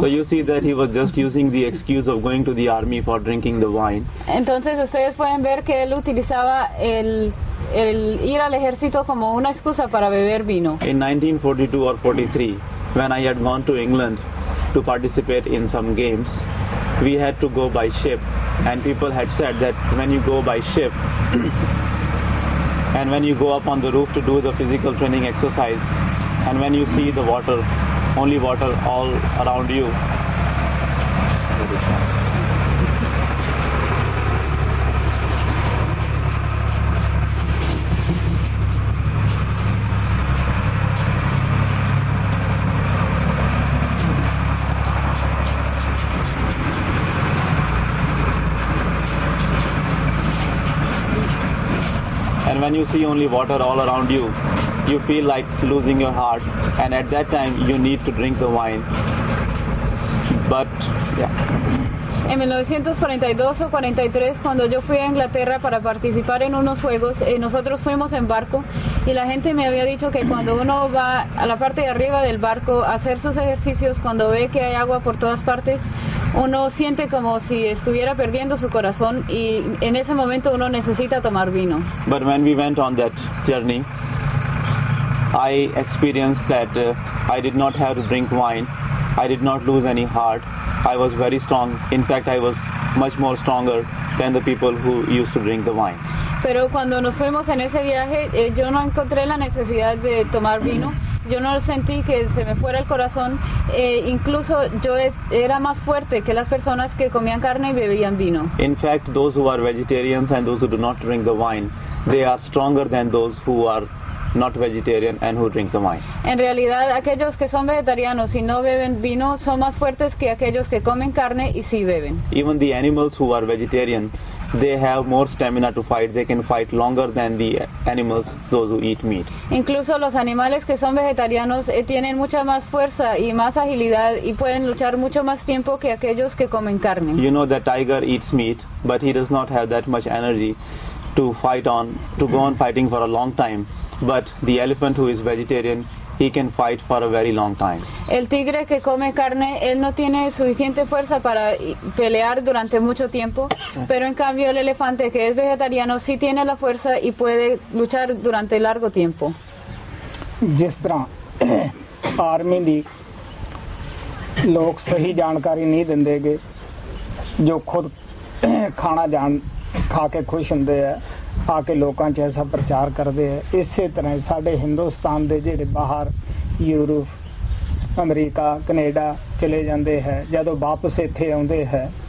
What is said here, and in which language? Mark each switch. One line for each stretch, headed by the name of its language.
English: So you see that he was just using the excuse of going to the army for drinking the wine.
Spanish: Entonces ustedes pueden ver que él utilizaba el ir al ejército como una excusa para beber vino.
English: In 1942 or 43, when I had gone to England to participate in some games, we had to go by ship, and people had said that when you go by ship and when you go up on the roof to do the physical training exercise and when you see the water, only water all around you, when you see only water all around you, you feel like losing your heart, and at that time you need to drink the wine. But yeah.
Spanish: En 1942 o 43, cuando yo fui a Inglaterra para participar en unos juegos, nosotros fuimos en barco y la gente me había dicho que cuando uno va a la parte de arriba del barco a hacer sus ejercicios, cuando ve que hay agua por todas partes, uno siente como si estuviera perdiendo su corazón y en ese momento uno necesita tomar vino.
English: But when we went on that journey, I experienced that I did not have to drink wine, I did not lose any heart. I was very strong. In fact, I was much more stronger than the people who used to drink the wine.
Spanish: Pero cuando nos fuimos en ese viaje, yo no encontré la necesidad de tomar vino. Yo no sentí que se me fuera el corazón. Incluso yo era más fuerte que las personas que comían carne y bebían vino.
English: In fact, those who are vegetarians and those who do not drink the wine, they are stronger than those who are not vegetarian and who drink the wine.
Spanish: En realidad, aquellos que son vegetarianos y no beben vino son más fuertes que aquellos que comen carne y sí beben.
English: Even the animals who are vegetarian, they have more stamina to fight. They can fight longer than the animals, those who eat meat.
Spanish: Incluso los animales que son vegetarianos tienen mucha más fuerza y más agilidad y pueden luchar mucho más tiempo que aquellos que comen carne.
English: You know, the tiger eats meat, but he does not have that much energy to fight on, to go on fighting for a long time. But the elephant who is vegetarian, he can fight for a very long time.
Spanish: El tigre que come carne, él no tiene suficiente fuerza para pelear durante mucho tiempo, pero en cambio el elefante que es vegetariano sí tiene la fuerza y puede luchar durante largo tiempo.
Punjabi: Jis tarah army di log sahi jankari nahi dende ge jo khud khana jaan kha ke khush hunde hai ਆ ਕੇ ਲੋਕਾਂ 'ਚ ਐਸਾ ਪ੍ਰਚਾਰ ਕਰਦੇ ਆ ਇਸੇ ਤਰ੍ਹਾਂ ਸਾਡੇ ਹਿੰਦੁਸਤਾਨ ਦੇ ਜਿਹੜੇ ਬਾਹਰ ਯੂਰਪ ਅਮਰੀਕਾ ਕਨੇਡਾ ਚਲੇ ਜਾਂਦੇ ਹੈ ਜਦੋਂ ਵਾਪਸ ਇੱਥੇ ਆਉਂਦੇ ਹੈ